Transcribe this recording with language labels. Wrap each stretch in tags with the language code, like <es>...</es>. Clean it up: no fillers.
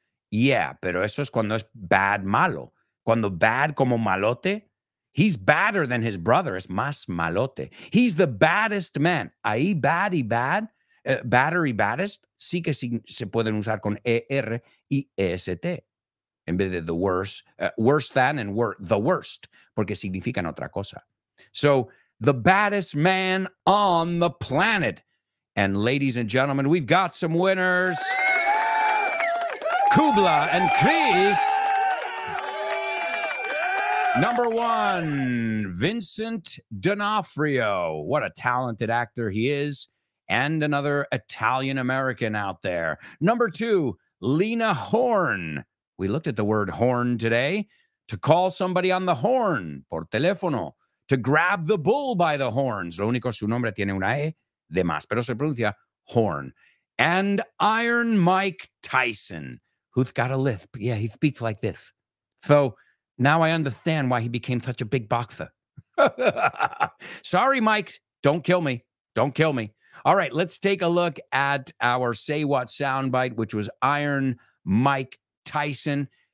<es>Yeah, pero eso es cuando es bad, malo. Cuando bad como malote,</es> <en>he's badder than his brother.</en> <es>Es más malote.</es> <en>He's the baddest man. Ahí baddy bad.</en> <es>Battery baddest, sí que sí, se pueden usar con ER y EST en vez de</es> <en>the worst, worse than and the worst,</en> <es>porque significan otra cosa.</es> <en>So, the baddest man on the planet. And ladies and gentlemen, we've got some winners. Kubla and Chris. Number one, Vincent D'Onofrio. What a talented actor he is. And another Italian-American out there. Number two, Lena Horne. We looked at the word horn today. To call somebody on the horn,</en> <es>por teléfono.</es> <en>To grab the bull by the horns.</en> <es>Lo único, su nombre tiene una E de más, pero se pronuncia horn.</es> <en>And Iron Mike Tyson, who's got a lisp. Yeah, he speaks like this. So now I understand why he became such a big boxer. Sorry, Mike. Don't kill me. Don't kill me. All right, let's take a look at our Say What soundbite, which was Iron Mike Tyson.</en>